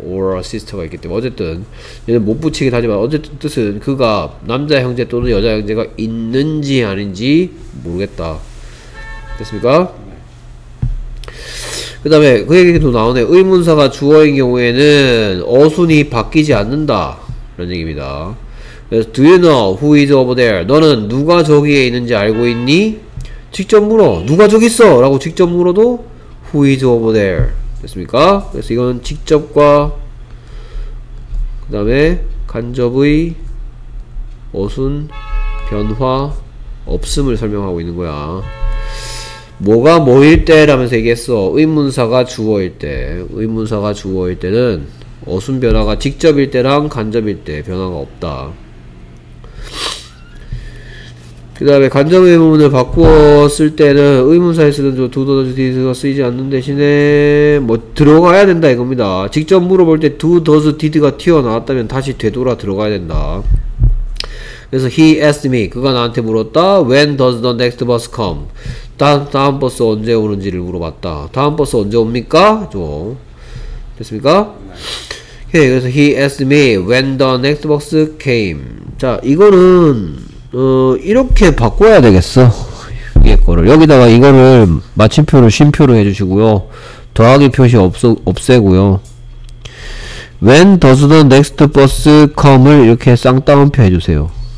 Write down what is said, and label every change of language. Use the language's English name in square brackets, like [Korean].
[Korean] or a sister가 있기 때문에 어쨌든 얘는 못 붙이긴 하지만 어쨌든 뜻은 그가 남자 형제 또는 여자 형제가 있는지 아닌지 모르겠다. 됐습니까? 그 다음에 그 얘기도 나오네. 의문사가 주어인 경우에는 어순이 바뀌지 않는다 라는 얘기입니다. 그래서 [English] Do you know who is over there? [Korean] 너는 누가 저기에 있는지 알고 있니? 직접 물어. 누가 저기 있어? 라고 직접 물어도 [English] Who is over there? [Korean] 됐습니까? 그래서 이건 직접과 그 다음에 간접의 어순 변화 없음을 설명하고 있는 거야. 뭐가 뭐일 때라면서 얘기했어. 의문사가 주어일 때. 의문사가 주어일 때는 어순 변화가 직접일 때랑 간접일 때 변화가 없다. 그 다음에 간접 의문을 바꾸었을 때는 의문사에 쓰는 do, does, did가 쓰이지 않는 대신에 뭐 들어가야 된다 이겁니다. 직접 물어볼 때 do, does, did가 튀어나왔다면 다시 되돌아 들어가야 된다. [English] 그래서 he asked me, [Korean] 그가 나한테 물었다. [English] when does the next bus come? [Korean] 다음 버스 언제 오는지를 물어봤다. 다음 버스 언제 옵니까? 저. 됐습니까? 오케이. 그래서 [English] he asked me when the next bus came. [Korean] 자, 이거는 이렇게 바꿔야 되겠어. 이게 거를 여기다가 이거를 마침표를 쉼표로 해주시고요. 더하기 표시 없애고요. [English] when does the next bus come [Korean] 을 이렇게 쌍따옴표 해주세요.